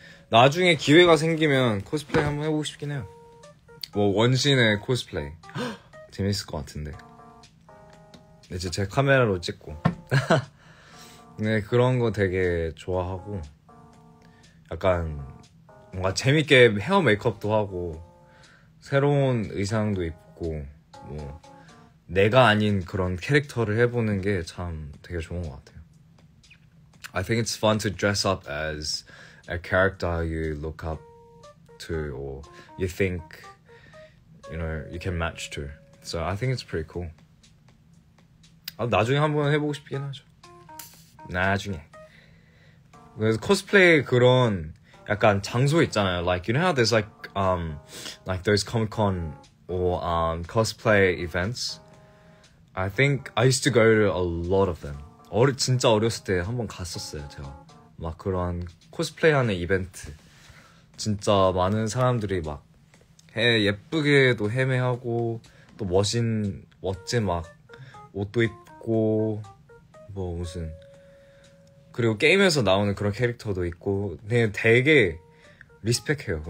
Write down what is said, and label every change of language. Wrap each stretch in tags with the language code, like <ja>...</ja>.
<ko>나중에 기회가 생기면 코스프레 한번 해보고 싶긴 해요. 뭐 원신의 코스프레 재밌을 것 같은데 이제 제 카메라로 찍고 네 그런 거 되게 좋아하고 약간 뭔가 재밌게 헤어 메이크업도 하고 새로운 의상도 입고 뭐 내가 아닌 그런 캐릭터를 해보는 게 참 되게 좋은 것 같아요.</ko> <en>I think it's fun to dress up as a character you look up to or you think you know you can match to. So I think it's pretty cool.</en> <ko>나중에 한번 해보고 싶긴 하죠. 나중에. 그래서 코스프레 그런 약간 장소 있잖아요.</ko> <en>Like you know how there's like those Comic-Con or cosplay events. I think I used to go to a lot of them.</en> <ko>진짜 어렸을 때 한번 갔었어요, 제가. 막 그런 코스프레 하는 이벤트. 진짜 많은 사람들이 막 예쁘게도 헤매하고 또 멋진 막 옷도 입고 뭐 무슨 그리고 게임에서 나오는 그런 캐릭터도 있고 되게 리스펙해요.</ko>